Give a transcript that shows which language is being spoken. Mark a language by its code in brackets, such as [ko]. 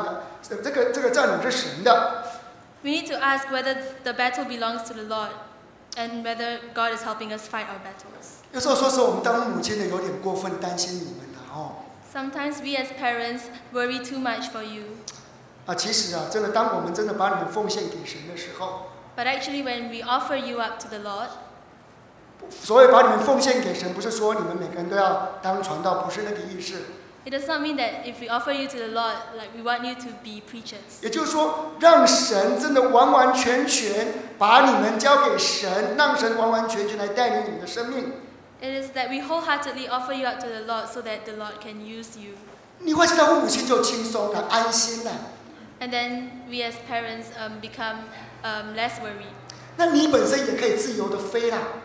[zh] 我们人生的战场，其实要想，是神在带领我们打仗的，这个战场是神的。 [en] We need to ask whether the battle belongs to the Lord. And whether God is helping us fight our battles. Sometimes we as parents worry too much for you. [zh] 其实真的当我们真的把你们奉献给神的时候， [en] But actually when we offer you up to the Lord, [zh] 所谓把你们奉献给神，不是说你们每个人都要当传道，不是那个意思。 [en] It does not mean that if we offer you to the Lord, like we want you to be preachers. [zh] 也就是说，让神真的完完全全把你们交给神，让神完完全全来带领你的生命。 [en] It is that we wholeheartedly offer you up to the Lord so that the Lord can use you. [zh] 你会知道父母亲就轻松了，安心了。 [en] And then we as parents become less worried. [zh] 那你本身也可以自由地飞了。